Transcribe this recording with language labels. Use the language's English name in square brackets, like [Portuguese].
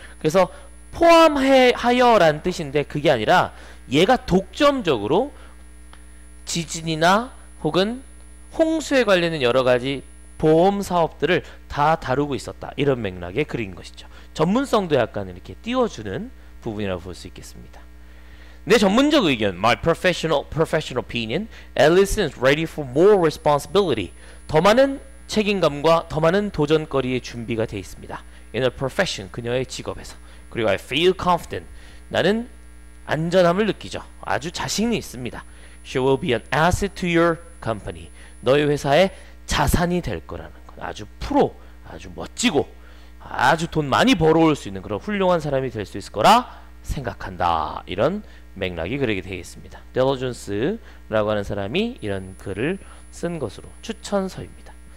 [Korean] 그래서 포함하여 라는 뜻인데 그게 아니라 얘가 독점적으로 지진이나 혹은 홍수에 관련된 여러가지 보험 사업들을 다 다루고 있었다 이런 맥락의 글인 것이죠. 전문성도 약간 이렇게 띄워주는 부분이라고 볼 수 있겠습니다. 내 전문적 의견, [English] my professional opinion, Alice is ready for more responsibility. [Korean] 더 많은 책임감과 더 많은 도전거리의 준비가 되어 있습니다. [English] In a profession, [Korean] 그녀의 직업에서. 그리고 [English] I feel confident. [Korean] 나는 안전함을 느끼죠. 아주 자신이 있습니다. [English] She will be an asset to your company. [Korean] 너의 회사의 자산이 될 거라는 것. 아주 프로, 아주 멋지고, 아주 돈 많이 벌어올 수 있는 그런 훌륭한 사람이 될 수 있을 거라 생각한다. 이런 맥락이 그렇게 되어 있습니다. 델로준스라고 하는 사람이 이런 글을 쓴 것으로 추천서입니다.